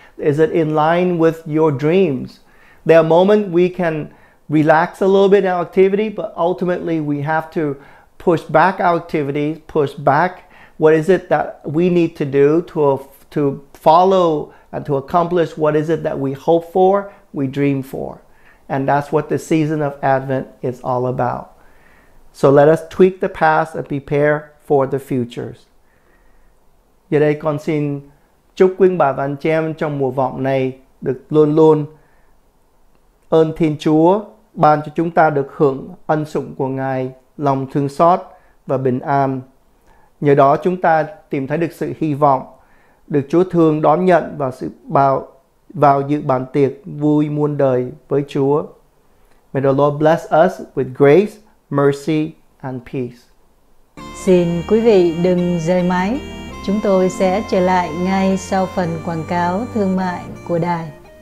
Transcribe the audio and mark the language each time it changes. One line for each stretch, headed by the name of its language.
English: Is it in line with your dreams? There are moments we can relax a little bit in our activity, but ultimately we have to push back our activities, push back what is it that we need to do to follow and to accomplish what is it that we hope for, we dream for. And that's what the season of Advent is all about. So let us tweak the past and prepare for the futures.
Vietnamese: Giờ đây con xin chúc quý bà và anh chị em trong mùa vọng này được luôn luôn ơn Thiên Chúa ban cho chúng ta được hưởng ân sủng của Ngài, lòng thương xót và bình an. Nhờ đó chúng ta tìm thấy được sự hy vọng, được Chúa thương đón nhận và sự vào dự bàn tiệc vui muôn đời với Chúa.
English: May the Lord bless us with grace, mercy and peace.
Vietnamese: Xin quý vị đừng rời máy. Chúng tôi sẽ trở lại ngay sau phần quảng cáo thương mại của đài.